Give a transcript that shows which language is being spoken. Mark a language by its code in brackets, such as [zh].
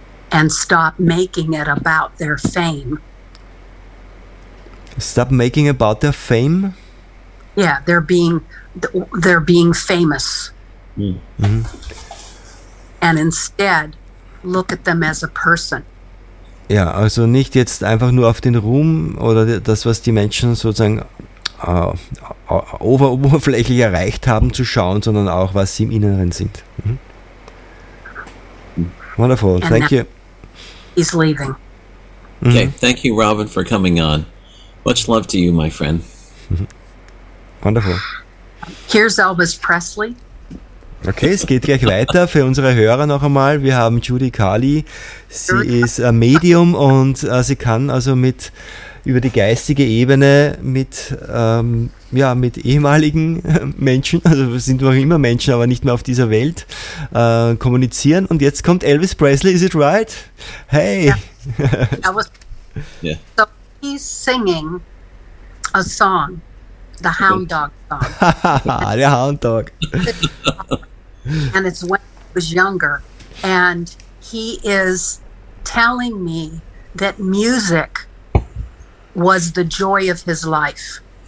[en] And stop making it about their fame. Stop making it about their fame? Yeah, they're being famous. Mm-hmm. And instead, look at them as a person. [de] Ja, also nicht jetzt einfach nur auf den Ruhm oder das, was die Menschen sozusagen oberflächlich erreicht haben, zu schauen, sondern auch, was sie im Inneren sind. Mhm. [en] Wonderful, and thank you. He's leaving. Mhm. Okay, thank you, Robin, for coming on. Much love to you, my friend. Mhm. Wonderful. Here's Elvis Presley. [de] Okay, es geht gleich weiter für unsere Hörer noch einmal. Wir haben Judy Carly. Sie ist ein Medium und sie kann also über die geistige Ebene mit ehemaligen Menschen, also sind noch immer Menschen, aber nicht mehr auf dieser Welt, kommunizieren. Und jetzt kommt Elvis Presley, [en] is it right? Hey! So he's singing a song, the Hound Dog song. [de] Der Hound Dog. [en] And it's when he was younger, and he is telling me that music was the joy of his life.